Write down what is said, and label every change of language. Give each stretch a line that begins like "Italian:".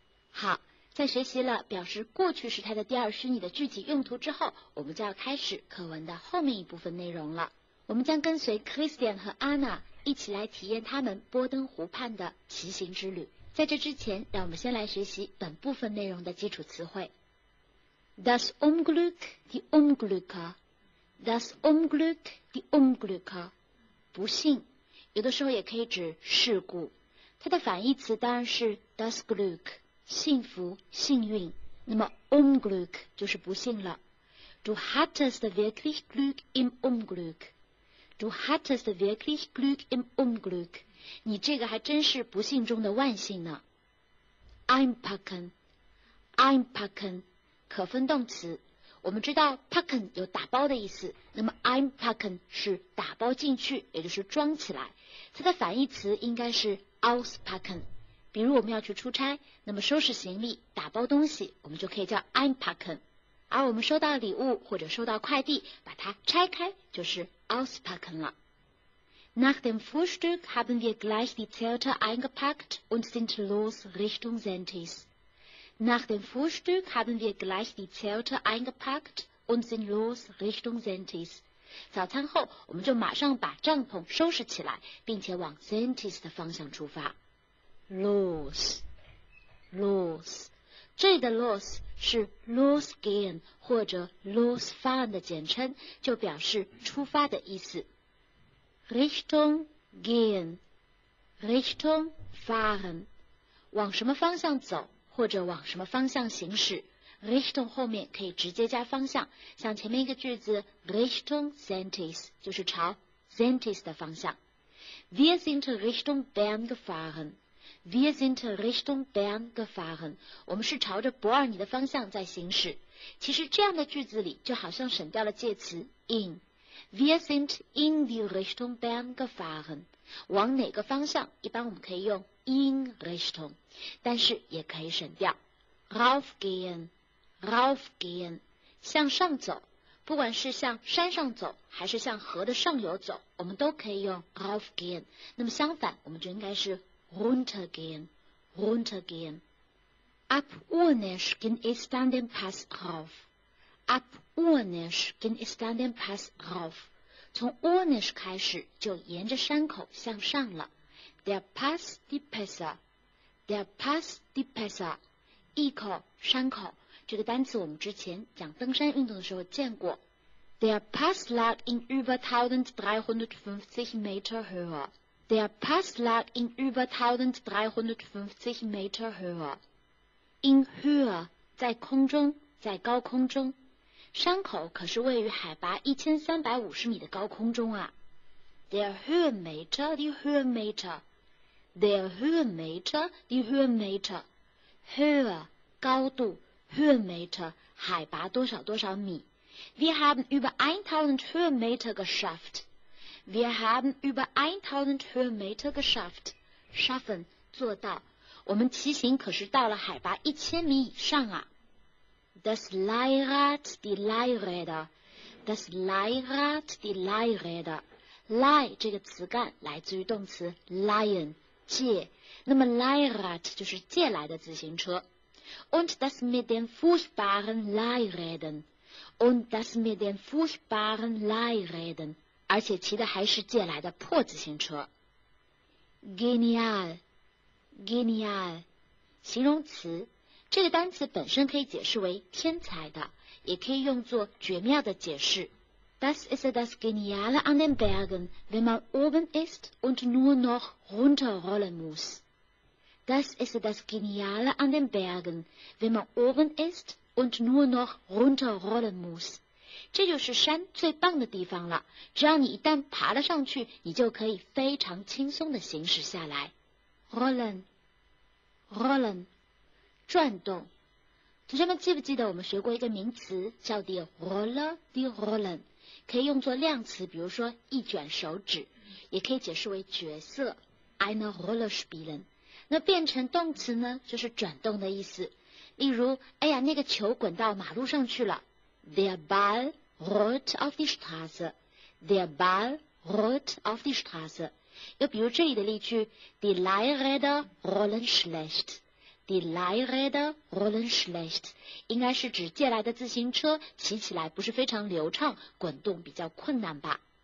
Chinese: 好，在学习了表示过去时态的第二虚拟的具体用途之后，我们就要开始课文的后面一部分内容了。我们将跟随 Christian 和 Anna 一起来体验他们波登湖畔的骑行之旅。在这之前，让我们先来学习本部分内容的基础词汇。
German: Das Unglück, die Unglücke. Das Unglück, die Unglücke.
Chinese: 不幸，有的时候也可以指事故。它的反义词当然是 das Glück, 幸福、幸运。那么 Unglück 就是不幸了。
German: Du hattest wirklich Glück im Unglück. Du hattest wirklich Glück im Unglück.
Chinese: 你这个还真是不幸中的万幸呢。
German: Einpacken, einpacken.
Chinese: 可分动词，我们知道 packen 有打包的意思，那么 einpacken 是打包进去，也就是装起来。它的反义词应该是 auspacken。比如我们要去出差，那么收拾行李、打包东西，我们就可以叫 einpacken。而我们收到礼物或者收到快递，把它拆开就是 auspacken 了。
German: Nach dem Frühstück haben wir gleich die Zelte eingepackt und sind los Richtung Sentis. Nach dem Frühstück haben wir gleich die Zelte eingepackt und sind los Richtung Sentis.
Chinese: 早餐后，我们就马上把帐篷收拾起来，并且往 Sentis 的方向出发。 Los, los, 这里的 los 是 los gehen 或者 los fahren 的简称，就表示出发的意思。
German: Richtung gehen, Richtung fahren,
Chinese: 往什么方向走？或者往什么方向行驶 ，Richtung 后面可以直接加方向，像前面一个句子 Richtung Sentis 就是朝 Sentis 的方向。
German: Wir sind Richtung Bern gefahren. Wir sind Richtung Bern gefahren.
Chinese: 我们是朝着伯尔尼的方向在行驶。其实这样的句子里就好像省掉了介词 in。
German: Wir sind in die Richtung Bern gefahren.
Chinese: 往哪个方向？一般我们可以用。 In Richtung, 但是也可以省掉。
German: Raufgehen, raufgehen,
Chinese: 向上走，不管是向山上走，还是向河的上游走，我们都可以用 raufgehen。那么相反，我们就应该是 runtergehen, runtergehen。
German: Ab Urnäsch ging es dann den Pass rauf. Ab Urnäsch ging es dann den Pass rauf.
Chinese: 从 Urnäsch 开始，就沿着山口向上了。
German: Der Pass die Pässe, der Pass die Pässe,
Chinese: 一口山口，这个单词我们之前讲登山运动的时候见过。
German: Der Pass lag in über 1350 Meter Höhe, der Pass lag in über 1350 Meter Höhe.
Chinese: In Höhe, 在空中，在高空中，山口可是位于海拔1350米的高空中啊。
German: Der Höhenmeter, die Höhenmeter. Der Höhenmeter, die Höhenmeter.
Chinese: Höhe, 高度 Höhenmeter, 海拔多少多少米。
German: Wir haben über 1000 Höhenmeter geschafft. Wir haben über 1000 Höhenmeter geschafft.
Chinese: Schaffen, 做到。我们骑行可是到了海拔1000米以上啊。
German: Das Leihrad, die Leihräder. Das Leihrad, die Leihräder.
Chinese: Leih 这个词干来自于动词 leihen. 借，那么 Leihrad 就是借来的自行车。
German: Und das mit den furchtbaren Leihrädern. und das mit den furchtbaren Leihreden,
Chinese: 而且骑的还是借来的破自行车。 Genial, genial, 形容词，这个单词本身可以解释为天才的，也可以用作绝妙的解释。
German: Das ist das Geniale an den Bergen, wenn man oben ist und nur noch runterrollen muss. Das ist das Geniale an den Bergen, wenn man oben ist und nur noch runterrollen muss.
Chinese: 这就是山最棒的地方了，只要你一旦爬了上去，你就可以非常轻松地行驶下来。
German: Rollen, rollen,
Chinese: 转动。同学们记不记得我们学过一个名词叫 die Roller, die Rollen, 可以用作量词，比如说一卷手指，也可以解释为角色
German: eine Rolle spielen。
Chinese: 那变成动词呢，就是转动的意思。例如，哎呀，那个球滚到马路上去了。
German: Der Ball rollt auf die Straße. Der Ball rollt auf die Straße.
Chinese: 又比如这里的例句 ，
German: Die Leihräder rollen schlecht. Die Leihräder rollen schlecht.
Chinese: 应该是指借来的自行车骑起来不是非常流畅，滚动比较困难吧。